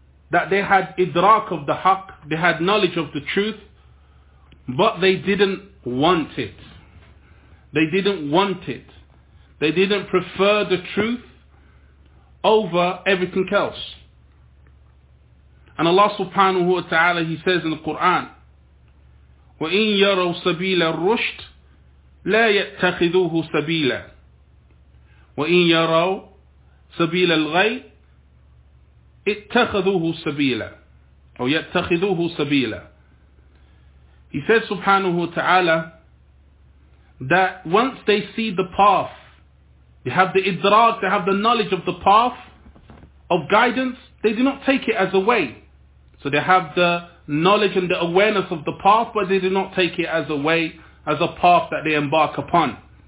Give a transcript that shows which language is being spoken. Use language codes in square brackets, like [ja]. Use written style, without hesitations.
[en] That they had idrak of the haqq, they had knowledge of the truth, but they didn't want it. They didn't want it. They didn't prefer the truth over everything else. And Allah subhanahu wa ta'ala, he says in the Quran, [ar] وَإِن يَرَوْ سَبِيلَ الرُّشْدِ لَا يَتَّخِذُوهُ سَبِيلًا وَإِن يَرَوْ سَبِيلَ الْغَيِّ اتَّخَذُوهُ سَبِيلًا [en] or [ar] يَتَّخِذُوهُ سَبِيلًا. [en] He says subhanahu wa ta'ala that once they see the path, they have the idraq, they have the knowledge of the path of guidance, they do not take it as a way. So they have the knowledge and the awareness of the path, but they do not take it as a way, as a path that they embark upon.